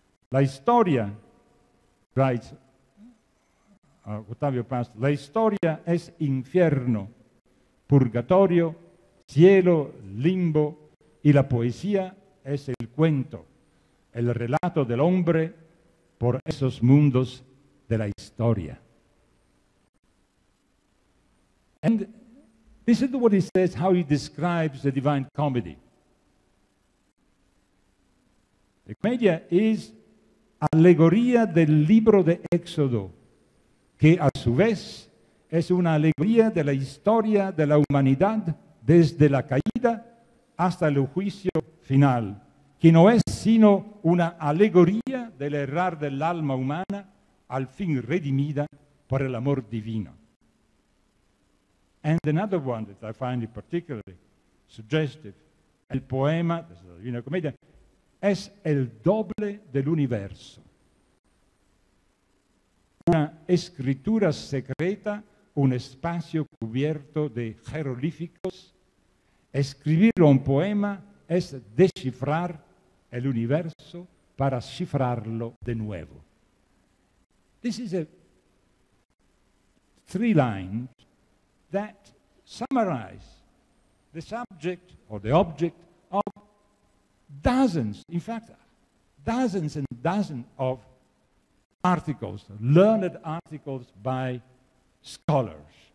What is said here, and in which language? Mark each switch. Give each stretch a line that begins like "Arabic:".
Spanish: La historia, writes Octavio Paz, la historia es infierno, purgatorio, cielo, limbo, y la poesía es el cuento, el relato del hombre por esos mundos de la historia.
English: And this is what he says, how he describes the Divine Comedy. The Comedia is
Spanish: allegoría del libro de Éxodo, que a su vez es una alegoría de la historia de la humanidad desde la caída hasta el juicio final, que no es sino una alegoría del errar del alma humana al fin redimida por el amor divino.
English: And another one that I find particularly suggestive,
Spanish: el poema de la Divina Comedia, es el doble del universo. Una escritura secreta, un espacio cubierto de jeroglíficos. Escribir un poema es descifrar el universo para cifrarlo de nuevo.
English: This is a three lines that summarize the subject or the object of dozens, in fact, dozens and dozens of articles, learned articles by scholars.